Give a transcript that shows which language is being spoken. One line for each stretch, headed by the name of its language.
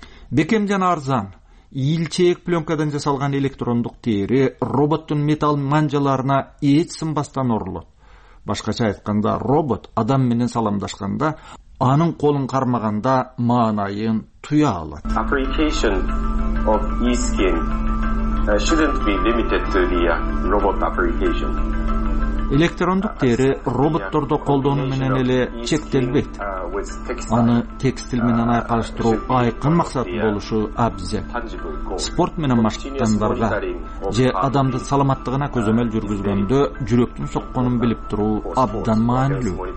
Kyrgyz: Бекем жана арзан ийилчээк пленкадан жасалган электрондук тери роботтун металл манжаларына эч сынбастан орулот. Башкача айтканда, робот адам менен саламдашканда анын колун кармаганда маанайын туя алат.
English: Application of e-skin shouldn't be limited to the robot application.
Kyrgyz: Электрондук тери роботтордо колдонуу менен эле чектелбейт. Аны текстил менен айкалыштыруу айкын максат болушу абзел. Спорт менен машыктандарга же адамды саламаттыгына көзөмөл жүргүзгөндө жүрөктүн сокконун билип туруу абдан маанилүү.